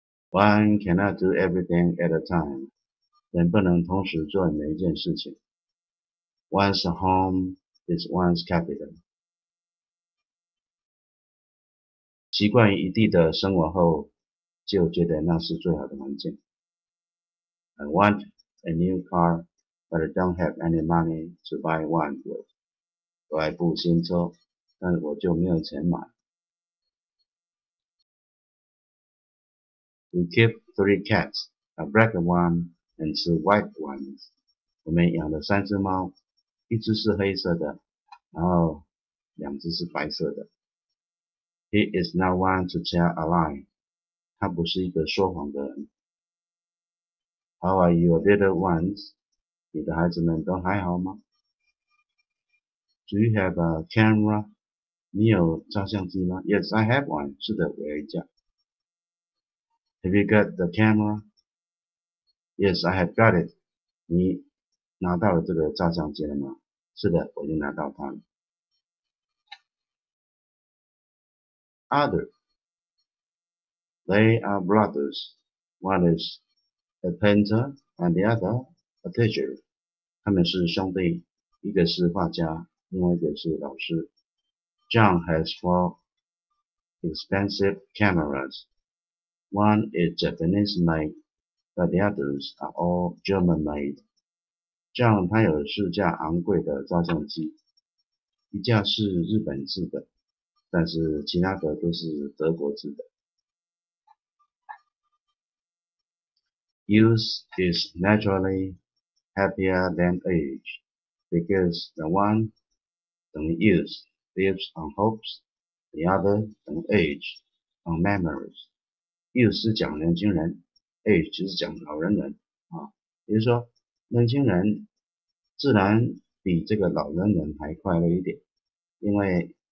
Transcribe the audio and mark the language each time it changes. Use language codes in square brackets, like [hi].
[en] One cannot do everything at a time， [zh] 人不能同时做每一件事情。 [en] One's home is one's capital。 [zh] 习惯于一地的生活后，就觉得那是最好的环境。 [en] I want a new car, but I don't have any money to buy one with. [zh] 我爱部新车，但是我就没有钱买。 [en] We keep three cats, a black one and two white ones. [zh] 我们养了三只猫，一只是黑色的，然后两只是白色的。 [en] He is not one to tell a lie. [zh] 他不是一个说谎的人。 [en] How are your little ones? [zh] 你的孩子们都还好吗？ [en] Do you have a camera? [zh] 你有照相机吗？ [en] Yes, I have one. [zh] 是的，我有一架。 [en] Have you got the camera? Yes, I have got it. [zh] 你拿到了这个照相机了吗？是的，我已经拿到它了。 [en] Other, they are brothers. One is a painter and the other a teacher. [zh] 他们是兄弟，一个是画家，另外一个是老师。 [en] John has four expensive cameras. One is Japanese made, but the others are all German made. [zh] John 他有四架昂贵的照相机，一架是日本制的。但是其他的都是德国制的。 [en] Youth is naturally happier than age, because the one [zh] 等于 [en] youth lives on hopes, the other 等于 age on memories. [zh] Youth 是讲年轻人 ，age 就是讲老人人啊，也就是说，年轻人自然比这个老人人还快乐一点，因为。